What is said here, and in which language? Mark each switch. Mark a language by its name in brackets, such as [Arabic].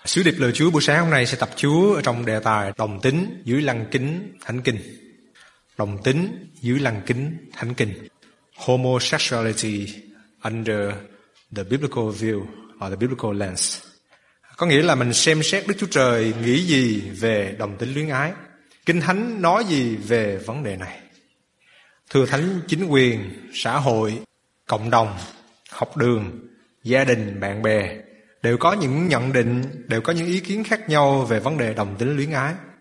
[Vietnamese] Sứ điệp lời Chúa buổi sáng hôm nay sẽ tập Chúa ở trong đề tài đồng tính dưới lăng kính thánh kinh. Đồng tính dưới lăng kính thánh kinh. [English] Homosexuality under the biblical view or the biblical lens. [Vietnamese] Có nghĩa là mình xem xét Đức Chúa Trời nghĩ gì về đồng tính luyến ái. Kinh Thánh nói gì về vấn đề này. Thưa Thánh, chính quyền, xã hội, cộng đồng, học đường, gia đình, bạn bè đều có những nhận định, đều có những ý kiến khác nhau về vấn đề đồng tính luyến ái.